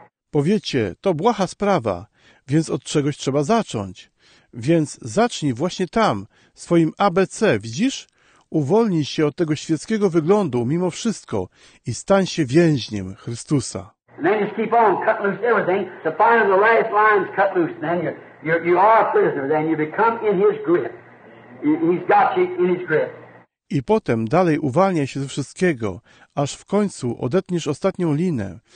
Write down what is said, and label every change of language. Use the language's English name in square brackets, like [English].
[Polish] Powiecie, to błaha sprawa, więc od czegoś trzeba zacząć. Więc zacznij właśnie tam, swoim ABC, widzisz? Uwolnij się od tego świeckiego wyglądu mimo wszystko i stań się więźniem Chrystusa. [English] And then just keep on cut loose everything. The final, the last line's cut loose. And then you are a prisoner. Then you become in His grip. He's got you in His grip. [Polish] I potem dalej uwalniaj się ze wszystkiego, aż w końcu odetniesz ostatnią linę.